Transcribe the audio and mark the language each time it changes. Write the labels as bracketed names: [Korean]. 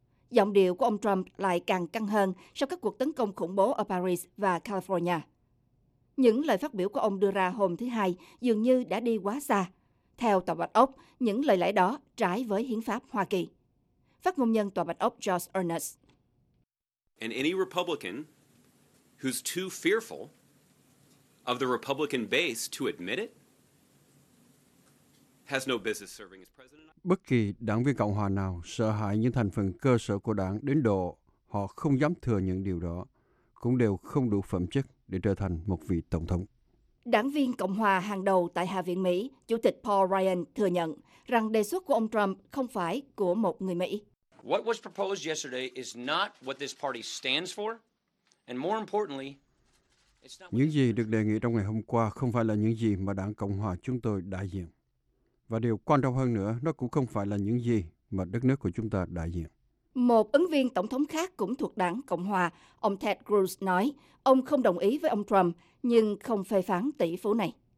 [Vietnamese] Giọng điệu của ông Trump lại càng căng hơn sau các cuộc tấn công khủng bố ở Paris và California. Những lời phát biểu của ông đưa ra hôm thứ Hai dường như đã đi quá xa. Theo Tòa Bạch Ốc, những lời lẽ đó trái với Hiến pháp Hoa Kỳ. Phát ngôn nhân Tòa Bạch Ốc George Earnest. [English] And any Republican who's too fearful of the Republican base to admit it has no business serving as president. [Vietnamese] Bất kỳ đảng viên Cộng hòa nào sợ hãi những thành phần cơ sở của đảng đến độ họ không dám thừa nhận điều đó cũng đều không đủ phẩm chất để trở thành một vị tổng thống. Đảng viên Cộng hòa hàng đầu tại Hạ viện Mỹ, Chủ tịch Paul Ryan thừa nhận rằng đề xuất của ông Trump không phải của một người Mỹ. [English] What was proposed yesterday is not what this party stands for, and more importantly, it's not. [Vietnamese] Những gì được đề nghị trong ngày hôm qua không phải là những gì mà Đảng Cộng hòa chúng tôi đại diện, và điều quan trọng hơn nữa, nó cũng không phải là những gì mà đất nước của chúng ta đại diện. Một ứng viên tổng thống khác cũng thuộc Đảng Cộng hòa, ông Ted Cruz nói, ông không đồng ý với ông Trump nhưng không phê phán tỷ phú này.